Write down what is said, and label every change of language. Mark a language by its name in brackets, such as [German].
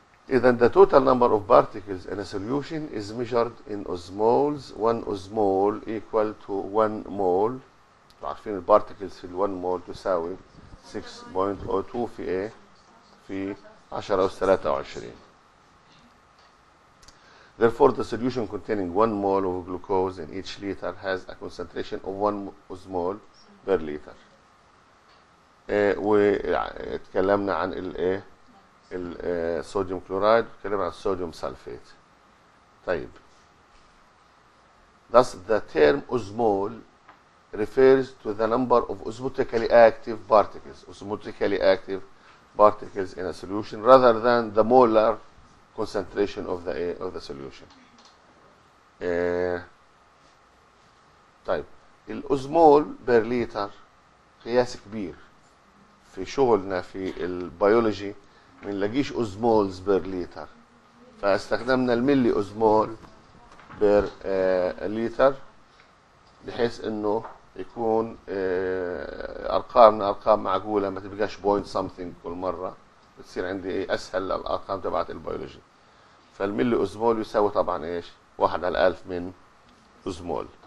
[English] اذا the total number of particles in a solution is measured in osmoles one osmole equal to one mole [Arabic] عارفين البارتيكلز في ال [English] one mole [Arabic] تساوي 6.02 في ايه في 10 أس 23 [English] Therefore, the solution containing 1 mole of glucose in each liter has a concentration of 1 osmole per liter. [Arabic] وتكلمنا عن الايه؟ الصوديوم كلورايد، وتكلمنا عن الصوديوم سلفيت. طيب. [English] Thus, the term osmole refers to the number of osmotically active particles, osmotically active particles in a solution rather than the molar concentration of the solution. [Arabic] طيب الأوزمول بير ليتر قياس كبير في شغلنا في البيولوجي ما نلاقيش أوزمولز بير ليتر فاستخدمنا الملي أوزمول بير ليتر بحيث انه يكون ارقامنا ارقام معقوله ما تبقاش بوينت سمثينج كل مره بتصير عندي اسهل الارقام تبعت البيولوجي فالملي اوزمول يساوي طبعا ايش؟ واحد على الالف من اوزمول.